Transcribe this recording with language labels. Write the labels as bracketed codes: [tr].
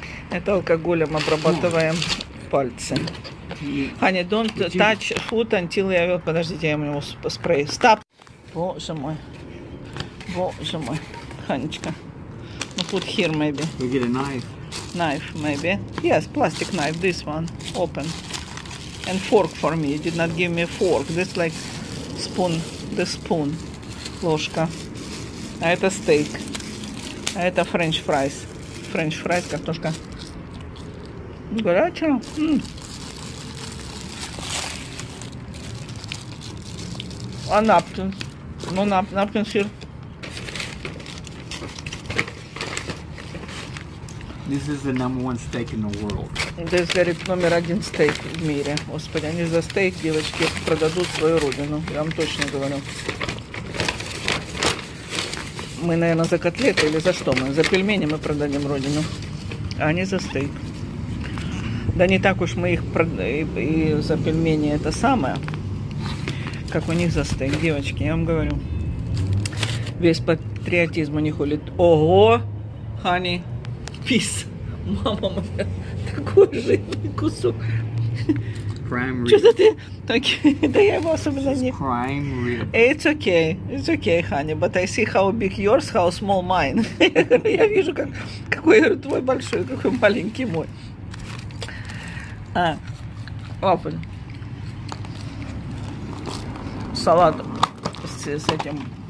[ru] Это алкоголем обрабатываем пальцы. [en] Хани, don't touch food until you will... [ru] Подождите, я ему спрей. Стоп. Боже мой. Боже мой. Ханечка. [en] Put here, maybe. We get a knife. Knife, maybe. Yes, plastic knife, this one. Open. And fork for me. You did not give me a fork. This like spoon. The spoon. [ru] Ложка. А это [en] steak. [ru] А это french fries. [en] French fries, [ru] картошка. Горячая. А napkin. [en] Ну, napkin here. This is the number one steak in the world. This is number one steak in the world. [ru] Господи, они за стейк, девочки, продадут свою родину. Я вам точно говорю. Мы, наверное, за котлеты или за что мы? За пельмени мы продадим родину. А они за стейк. Да не так уж мы их и за пельмени это самое, как у них за стейк. Девочки, я вам говорю. Весь патриотизм у них улит. Ого, хани. Пис. Мама моя, такой же кусок. [en] Prime rib. [ru] Что за ты? Так, да я его особенно не... [en] Prime rib. It's okay, honey, but I see how big yours, how small mine. [ru] Я вижу, как, какой твой большой, какой маленький мой. А, [en] open. [ru] Салат с этим...